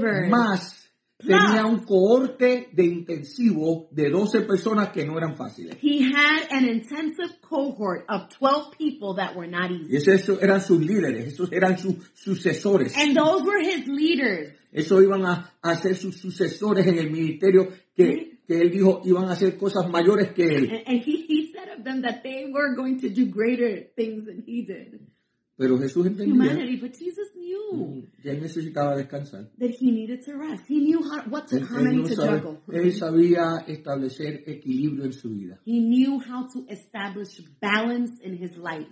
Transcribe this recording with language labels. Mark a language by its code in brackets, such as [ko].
[es] Más, tenía un cohorte de intensivo de 12 personas que no eran fáciles. [en] He had an intensive cohort of 12 people that were not easy. [es] Y esos eran sus líderes, esos eran sus sucesores. [en] And those were his leaders. [es] Esos iban a ser sus sucesores en el ministerio que él dijo iban a hacer cosas mayores que él. [en] Them that they were going to do greater things than he did. [es] Pero Jesús entendía, [en] humanity, but Jesus knew [es] que él necesitaba descansar. [en] That he needed to rest. He knew how to juggle. [es] Él sabía establecer equilibrio en su vida. [en] He knew how to establish balance in his life.